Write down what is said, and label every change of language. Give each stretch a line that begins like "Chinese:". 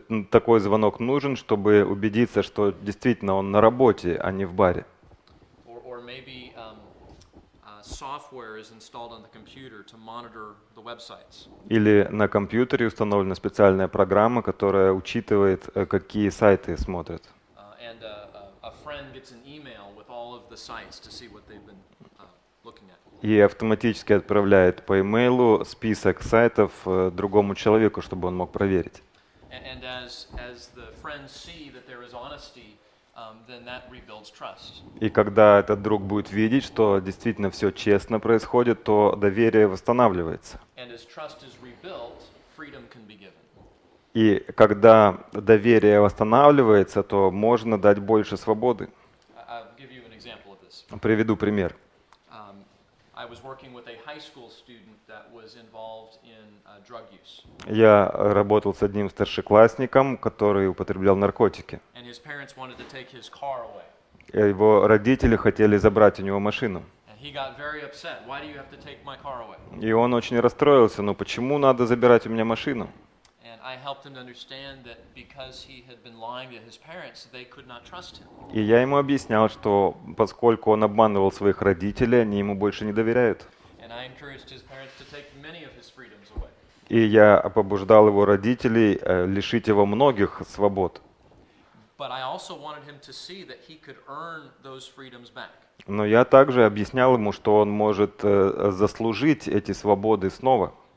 Russian: Такой звонок нужен, чтобы убедиться, что действительно он на работе, а не в баре.
English: Or maybe software is installed on the computer to monitor the websites.
Russian: Или на компьютере установлена специальная программа, которая учитывает, какие сайты смотрят.
English: And a friend gets an email with all of the sites to see what they've been looking at.
Russian: И автоматически отправляет по имейлу список сайтов другому человеку, чтобы он мог проверить.
English: And as the friends see that there is honesty, then that rebuilds trust.
Russian: И когда этот друг будет видеть, что действительно все честно происходит, то доверие восстанавливается.
English: And as trust is rebuilt, freedom can be given.
Russian: И когда доверие восстанавливается, то можно дать больше свободы.
English: I'll give you an example of this.
Russian: Приведу пример.
English: I was working with a high school student that was involved in drug use.
Russian: Я работал с одним старшеклассником, который употреблял наркотики.
English: And his parents wanted to take his car away.
Russian: Его родители хотели забрать у него машину.
English: And he got very upset. Why do you have to take my car away?
Russian: И он очень расстроился. Ну почему надо забирать у меня машину?
English: And I helped him understand that because he had been lying to his parents, they could not trust him.
Russian: И я ему объяснял, что поскольку он обманывал своих родителей, они ему больше не доверяют.
English: And I encouraged his parents to take many of his freedoms away.
Russian: И я побуждал его родителей лишить его многих свобод.
English: But I also wanted him to see that he could earn those freedoms back.
Russian: Но я также объяснял ему, что он может заслужить эти свободы снова.